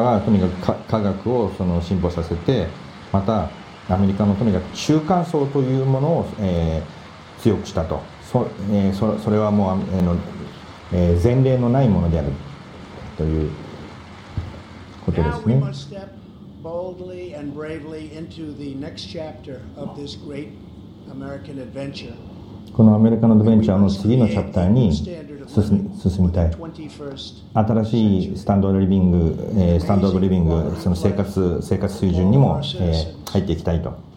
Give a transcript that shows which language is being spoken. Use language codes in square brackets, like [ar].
[ja] はとにかく科学をその進歩させて、またアメリカのとにかく中間層というものを、強くしたと。それはもう前例のないものであるということですね。 [en] Now we must step boldly and bravely into the next chapter of this great American adventure. [ja] このアメリカのアドベンチャーの次のチャプターに進みたい。新しいスタンドオブリビング、スタンドオブリビング、その生活水準にも、入っていきたいと。